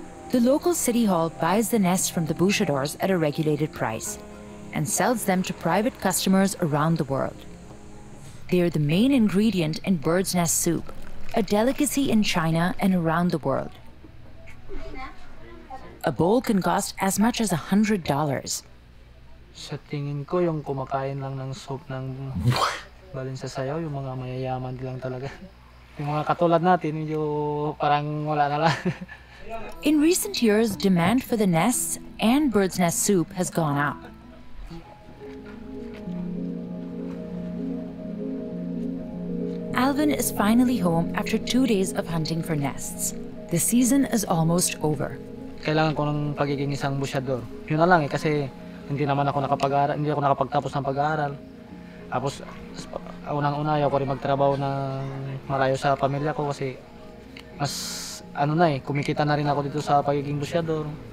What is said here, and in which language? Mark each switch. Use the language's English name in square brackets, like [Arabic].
[English] The local city hall buys the nests from the Bushidors at a regulated price and sells them to private customers around the world. They are the main ingredient in bird's nest soup, a delicacy in China and around the world. A bowl can cost as much as $100. [Filipino] Sa tingin ko, yung kumakain lang ng soup ng balin sa sayaw, yung mga mayayaman lang talaga. Yung mga katulad natin, yung parang wala na lang. [English] In recent years, demand for the nests and bird's nest soup has gone up. Alvin is finally home after 2 days of hunting for nests. The season is almost over. [Filipino] Kailangan ko ng pagiging isang busyador. Yun na lang eh, kasi hindi naman ako nakapag-aral, hindi ako nakapagtapos ng pag-aaral. Tapos, unang-una, ayaw ko rin magtrabaho ng marayo sa pamilya ko kasi mas, ano na eh, kumikita na rin ako dito sa pagiging busyador.